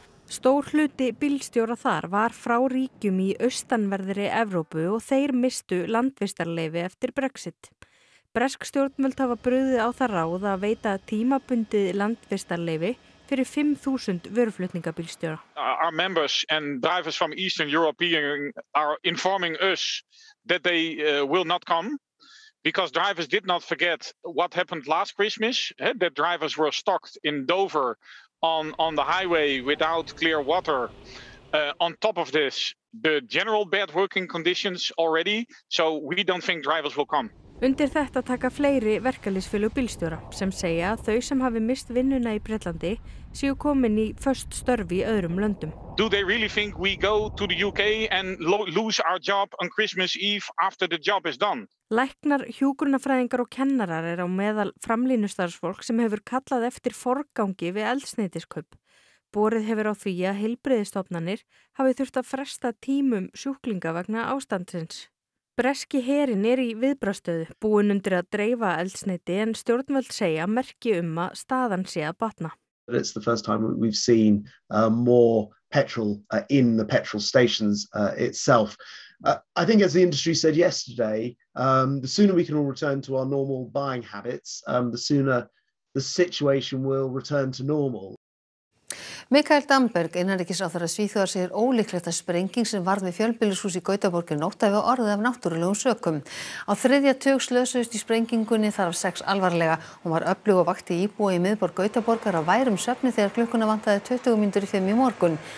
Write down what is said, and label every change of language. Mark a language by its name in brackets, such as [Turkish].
[Icelandic] Stór hluti bílstjóra þar var frá ríkjum í austanverðri Evrópu og þeir mistu landvistarleyfi eftir Brexit. Bresk stjórnvöld hafa brugðið á það ráð að veita tímabundið landvistarleyfi fyrir 5000 vöruflutningabílstjóra. [English] Our members and drivers from Eastern Europe are informing us that they will not come. Because drivers did not forget what happened last Christmas, that drivers were stuck in Dover on the highway without clear water. On top of this, the general bad working conditions already, so we don't think drivers will come. [Icelandic] Undir þetta taka fleiri verkalýðsfélög bílstjóra sem segja að þau sem hafi misst vinnuna í Bretlandi séu komin í föst störf í öðrum löndum. [English] Do they really think we go to the UK and lose our job on Christmas Eve after the job is done? [Icelandic] Læknar, hjúkrunarfræðingar og kennarar eru á meðal framlínustarfsfólk sem hefur kallað eftir forgangi við eldsneytiskaup. Borið hefur á því að heilbrigðisstofnanir hafi þurft að fresta tímum sjúklinga vegna ástandsins. Breski herinn í viðbragðsstöðu, búinn undir að dreifa eldsneyti en stjórnvöld segja merki að staðan sé að batna. [English] It's the first time we've seen more petrol in the petrol stations itself. I think as the industry said yesterday, the sooner we can all return to our normal buying habits, the sooner the situation will return to normal. [Icelandic] Mikael Damberg, innanríkisráðherra Svíþjóðar, segir ólíklegt að sprenging sem varð við fjölbýlishús í Gautaborg í nótt hafi orðið af náttúrulegum sökum. Á þriðja tug slösuðust í sprengingunni þarf sex alvarlega. Hún var öflug og vakti íbúa í miðborg Gautaborgar á værum svefni þegar klukkuna vantaði 20 mínútur í 5 í morgun.